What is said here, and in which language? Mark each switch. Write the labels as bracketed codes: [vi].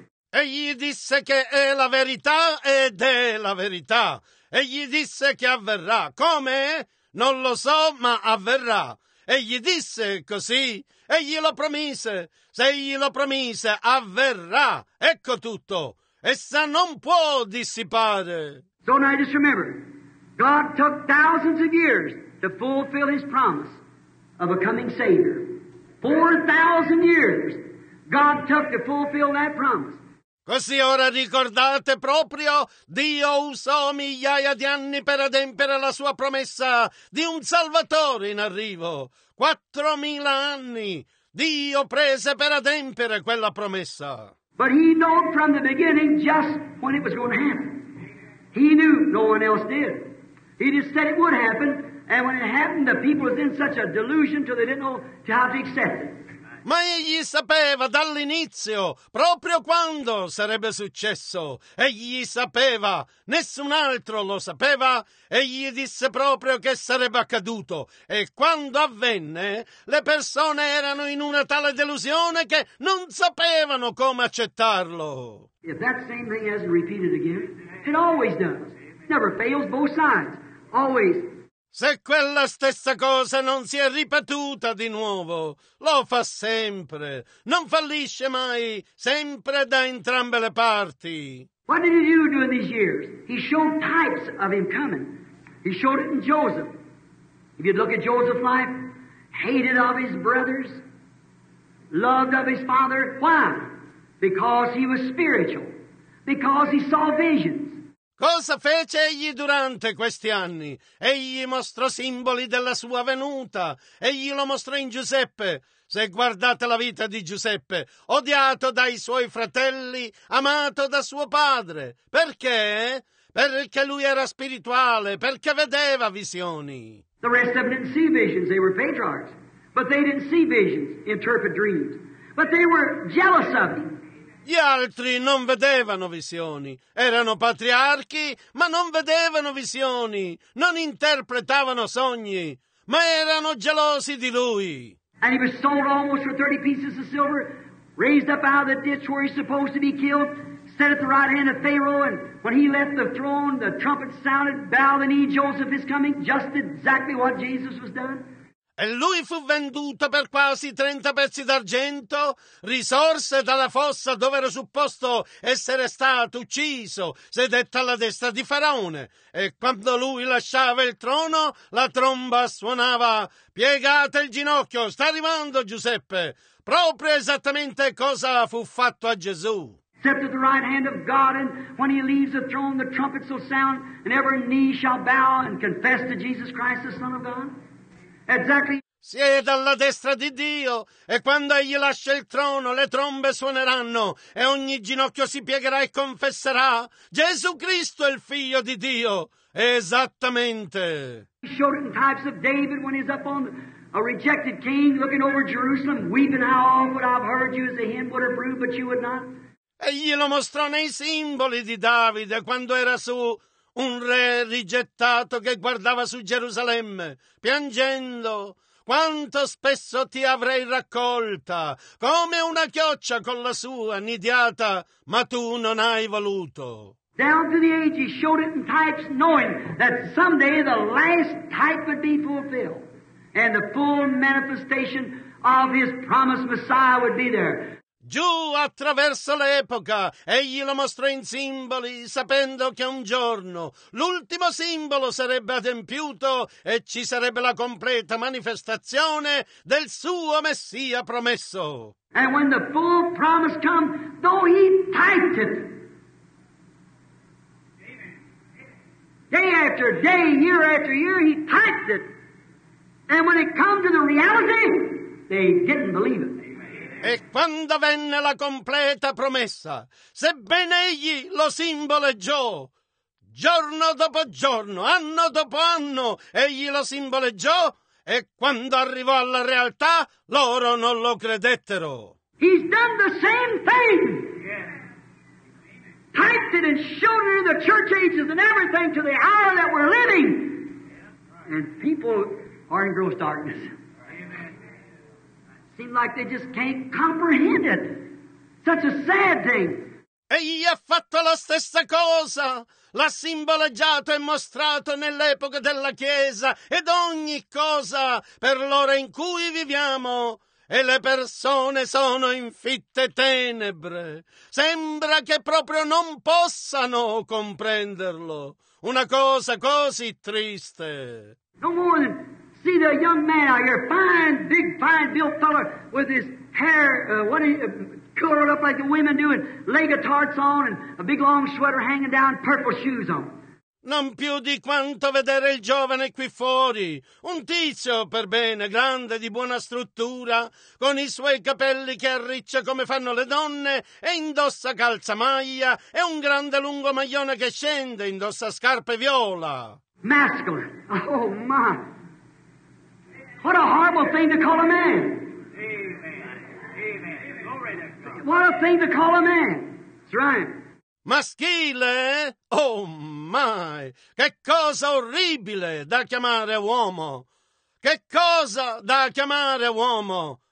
[it] Egli disse che è la verità ed è la verità. Egli disse che avverrà. Come? Non lo so, ma avverrà. Egli disse così. Egli lo promise. Se egli lo promise, avverrà. Ecco tutto. Essa non può dissipare. [en] So now just remember, God took thousands of years to fulfill his promise of a coming Savior. 4,000 years. God took to fulfill that promise. [it] Così ora ricordate proprio, Dio usò migliaia di anni per adempiere la sua promessa di un Salvatore in arrivo. 4,000 anni Dio prese per adempiere quella promessa. [en] But he knew from the beginning just when it was going to happen. He knew, no one else did. He just said it would happen, and when it happened, the people was in such a delusion till they didn't know how to accept it. [it] Ma egli sapeva dall'inizio proprio quando sarebbe successo. Egli sapeva, nessun altro lo sapeva, egli disse proprio che sarebbe accaduto. E quando avvenne, le persone erano in una tale delusione che non sapevano come accettarlo. [en] If that same thing hasn't repeated again, it always does. Never fails both sides. Always. [it] Se quella stessa cosa non si è ripetuta di nuovo, lo fa sempre. Non fallisce mai, sempre da entrambe le parti. [en] What did he do during these years? He showed types of him coming. He showed it in Joseph. If you look at Joseph's life, hated of his brothers, loved of his father. Why? Because he was spiritual. Because he saw visions. [it] Cosa fece egli durante questi anni? Egli mostrò simboli della sua venuta. Egli lo mostrò in Giuseppe. Se guardate la vita di Giuseppe, odiato dai suoi fratelli, amato da suo padre. Perché? Perché lui era spirituale, perché vedeva visioni. [en] The rest of them didn't see visions. They were patriarchs. But they didn't see visions, interpret dreams. But they were jealous of him. [it] Gli altri non vedevano visioni, erano patriarchi, ma non vedevano visioni, non interpretavano sogni, ma erano gelosi di lui. [en] And he was sold almost for 30 pieces of silver, raised up out of the ditch where he's supposed to be killed, set at the right hand of Pharaoh, and when he left the throne, the trumpet sounded, bow the knee, Joseph is coming, just exactly what Jesus was done. [it] E lui fu venduto per quasi 30 pezzi d'argento, risorse dalla fossa dove era supposto essere stato ucciso, sedette alla destra di Faraone. E quando lui lasciava il trono, la tromba suonava, piegate il ginocchio, sta arrivando Giuseppe. Proprio esattamente cosa fu fatto a Gesù. [en] Set to the right hand of God, and when he leaves the throne, the trumpets will sound, and every knee shall bow and confess to Jesus Christ, the Son of God. [it] Siede alla destra di Dio, e quando egli lascia il trono, le trombe suoneranno, e ogni ginocchio si piegherà e confesserà: Gesù Cristo è il Figlio di Dio. Esattamente. [en] He showed it in types of David when he's up on a rejected king, looking over Jerusalem, weeping how often I've heard you as a hymn would approve, but you would not. [it] Egli lo mostrò nei simboli di Davide quando era su. Un re rigettato che guardava su Gerusalemme, piangendo, quanto spesso ti avrei raccolta, come una chioccia con la sua nidiata, ma tu non hai voluto. [en] Down through the ages, showed it in types, knowing that someday the last type would be fulfilled, and the full manifestation of his promised Messiah would be there. [it] Giù attraverso l'epoca, egli lo mostrò in simboli, sapendo che un giorno l'ultimo simbolo sarebbe adempiuto e ci sarebbe la completa manifestazione del suo Messia promesso. [en] And when the full promise come, though he typed it, day after day, year after year, he typed it. And when it come to the reality, they didn't believe it. [it] E quando venne la completa promessa, sebbene egli lo simboleggiò, giorno dopo giorno, anno dopo anno, egli lo simboleggiò, e quando arrivò alla realtà, loro non lo credettero. [en] He's done the same thing. Typed it and showed it in the church ages and everything to the hour that we're living. And people are in gross darkness. Like they just can't comprehend it. Such a sad thing. [it] Egli ha fatto la stessa cosa. L'ha simboleggiato e mostrato nell'epoca della Chiesa ed ogni cosa per l'ora in cui viviamo. E le persone sono in fitte tenebre. Sembra che proprio non possano comprenderlo. Una cosa così triste. [en] No more than. See the young man out here, fine, big, fine, built fella with his hair, curled up like the women do, and leg-a-tarts on, and a big long sweater hanging down, purple shoes on. [it] Non più di quanto vedere il giovane qui fuori, un tizio per bene, grande, di buona struttura, con i suoi capelli che arriccia come fanno le donne, e indossa calzamaglia, e un grande lungo maglione che scende, indossa scarpe viola. [en] Masculine! Oh, my! What a horrible thing to call a man! Amen! Amen! Glory to God! What a thing to call a man! That's right! [it] Maschile? [en] Oh my! [it] Che cosa orribile da chiamare uomo! Che cosa da chiamare uomo!